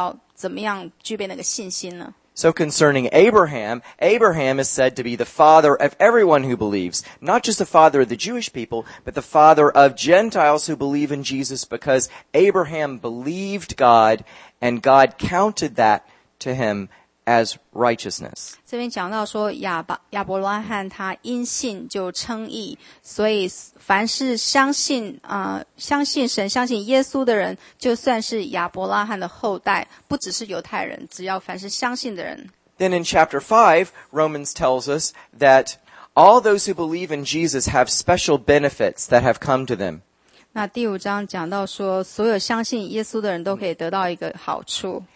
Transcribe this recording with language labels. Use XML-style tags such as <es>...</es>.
<zh>如果得救是因着信心才能得救，那大卫跟亚伯拉罕他们关于他们两个人的榜样怎么样？我们可以从大卫跟亚伯拉罕这两个人身上学到怎么样具备那个信心呢？</zh> <en>So concerning Abraham, Abraham is said to be the father of everyone who believes, not just the father of the Jewish people, but the father of Gentiles who believe in Jesus because Abraham believed God and God counted that to him as righteousness.</en> <zh>这边讲到说亚伯拉罕他因信就称义，所以凡是相信神、相信耶稣的人，就算是亚伯拉罕的后代，不只是犹太人，只要凡是相信的人。</zh> <en>Then in chapter 5, Romans tells us that all those who believe in Jesus have special benefits that have come to them.</en> <zh>那第五章讲到说，所有相信耶稣的人都可以得到一个好处。</zh>